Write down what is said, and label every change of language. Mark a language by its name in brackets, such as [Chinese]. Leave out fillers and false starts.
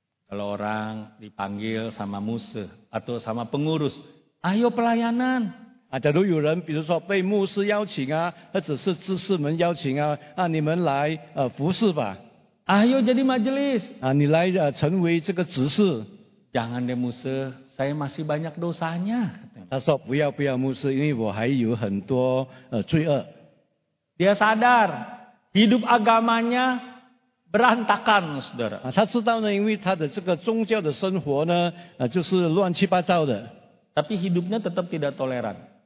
[Indonesian] Kalau orang dipanggil sama muse atau sama pengurus, ayo pelayanan. [Chinese] Nah, 假如有人，比如说被牧师邀请啊，或者是执事们邀请啊，啊，你们来服事吧。 [Indonesian] Ayo jadi majelis. [Chinese] Nah, 你来成为这个执事。 [Indonesian] Jangan deh muse, saya masih banyak dosanya. Tasok, biar muse ini, saya [Chinese] 还有很多罪恶. [Indonesian] Dia sadar hidup agamanya berantakan, saudara. [Chinese] Ah, 他知道呢，因为他的这个宗教的生活呢，就是乱七八糟的. [Indonesian] Tapi hidupnya tetap tidak toleran.